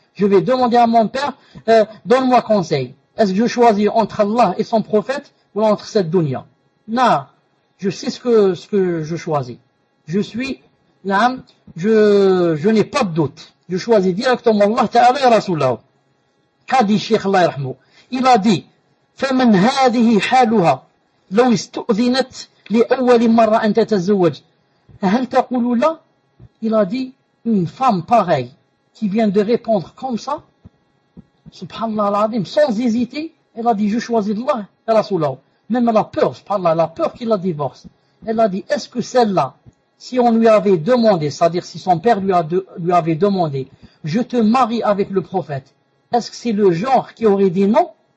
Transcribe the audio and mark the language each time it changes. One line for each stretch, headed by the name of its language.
French: Je vais demander à mon père, donne-moi conseil. Est-ce que je choisis entre Allah et son prophète ou entre cette dunya? Non, je sais ce que je choisis. Je suis, là, je n'ai pas de doute. Je choisis directement Allah Ta'ala et Rasulallah. Qu'a dit Cheikh Allah Irahmo? Il a dit,
Arabic: فَمَنْ هَذِهِ حَالُهَا لَوْ اسْتُؤْذِنَتْ لِأَوَّلِ مَرَّةٍ أَنْ تَتَزَوَّجَ هَلْ تَقُولُ لَا.
French: Il a dit, une femme pareille qui vient de répondre comme ça, subhanallah l'adim, sans hésiter, elle a dit, je choisis Allah et Rasulallah. Même la peur, subhanallah, la peur qu'il la divorce. Elle a dit, est-ce que celle-là, si on lui avait demandé, c'est-à-dire si son père lui avait demandé, je te marie avec le prophète, est-ce que c'est le genre qui aurait dit non?